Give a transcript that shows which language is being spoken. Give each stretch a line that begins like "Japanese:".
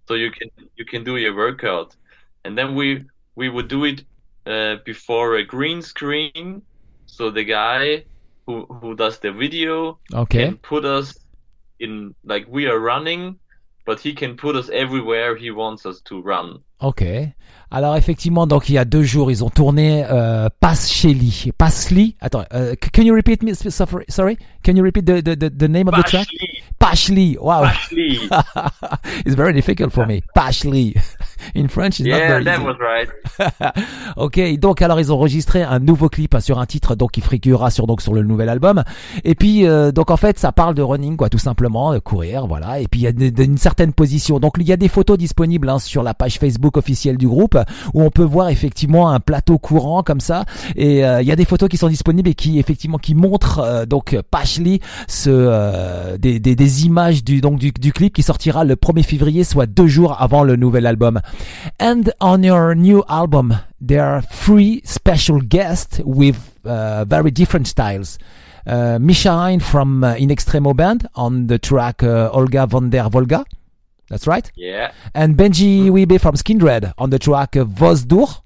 English: So you can do your workout, and then we would do it before a green screen, so the guy who does the video can put us in, like, we are running, but he can put us everywhere he wants us to run. Okay.
French: Alors effectivement, donc il y a 2 jours, ils ont tourné Paschli.
English: Paschli. Attends. Can you repeat me? Sorry. Can you repeat the name of Paschli. The track? Paschli. Wow. Paschli. It's very difficult for me. Paschli. In French, it's not very easy. Yeah, that was right. Okay.
French: Donc alors, ils ont enregistré un nouveau clip sur un titre donc qui figurera sur le nouvel album. Et puis donc en fait, ça parle de running, quoi, tout simplement, de courir, voilà. Et puis il y a une certaine position. Donc il y a des photos disponibles sur la page Facebook officielle du groupe, où on peut voir effectivement un plateau courant comme ça, et il y a des photos qui sont disponibles et qui effectivement qui montrent donc Paschli, des images du clip qui sortira le 1er février, soit 2 jours avant le nouvel album.
English: And on your new album, there are 3 special guests with very different styles. Misha Hein from In Extremo Band on the track Olga von der Volga. That's right. Yeah. And Benji Wiebe from Skindred on the track Vos Dur.